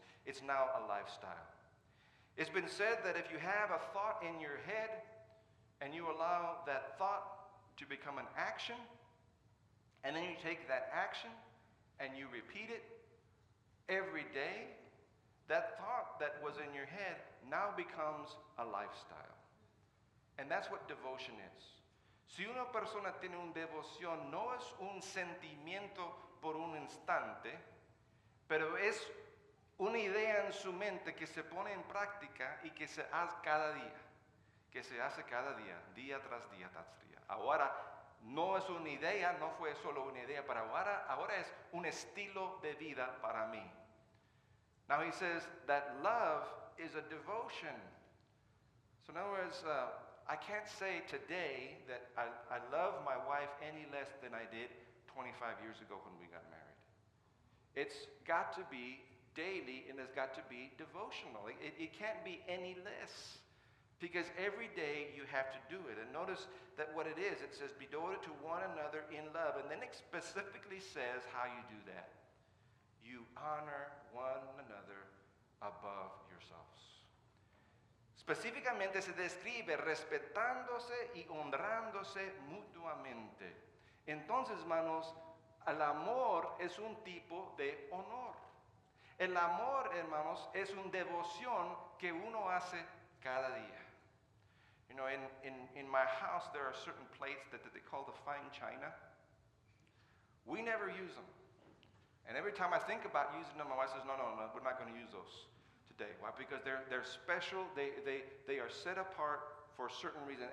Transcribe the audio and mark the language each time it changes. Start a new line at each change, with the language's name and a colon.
English: It's now a lifestyle. It's been said that if you have a thought in your head and you allow that thought to become an action, and then you take that action and you repeat it every day, that thought that was in your head now becomes a lifestyle. And that's what devotion is.
Spanish: Si una persona tiene un devoción, no es un sentimiento por un instante, pero es una idea en su mente que se pone en práctica y que se hace cada día. Que se hace cada día, día tras día, tras día. Ahora, no es una idea, no fue solo una idea para ahora, ahora es un estilo de vida para mí.
English: Now he says that love is a devotion. So in other words, I can't say today that I love my wife any less than I did 25 years ago when we got married. It's got to be daily and it's got to be devotional. It can't be any less because every day you have to do it. And notice that what it is, it says, be devoted to one another in love. And then it specifically says how you do that. You honor one another above yourselves.
Spanish: Específicamente se describe respetándose y honrándose mutuamente. Entonces, hermanos, el amor es un tipo de honor. El amor, hermanos, es una devoción que uno hace cada día.
English: You know, in my house there are certain plates that they call the fine china. We never use them. And every time I think about using them, my wife says, no, we're not going to use those. Today. Why? Because they're special. They are set apart for a certain reason.